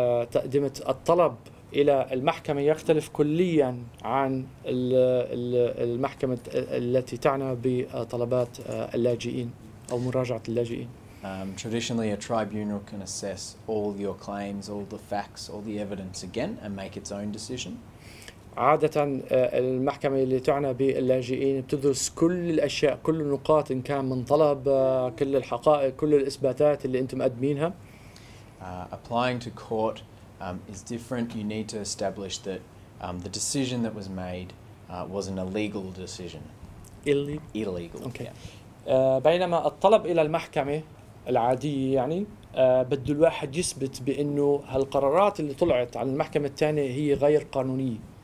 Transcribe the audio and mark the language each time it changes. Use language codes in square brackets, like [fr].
[ar] تقدمة الطلب إلى المحكمة يختلف كلياً عن المحكمة التي تعنى بطلبات اللاجئين أو مراجعة اللاجئين. [en] Traditionally, a tribunal can assess all your claims, all the facts, all the evidence again and make its own decision. [ar] عادة المحكمة اللي تعنى باللاجئين بتدرس كل الأشياء كل النقاط إن كان من طلب كل الحقائق كل الإثباتات اللي أنتم مقدمينها. [en] Applying to court is different. You need to establish that the decision that was made was an illegal decision. Illegal. Okay. [ar] بينما الطلب إلى المحكمة العادية يعني بده الواحد يثبت بأنه هالقرارات اللي طلعت عن المحكمة الثانية هي غير قانونية.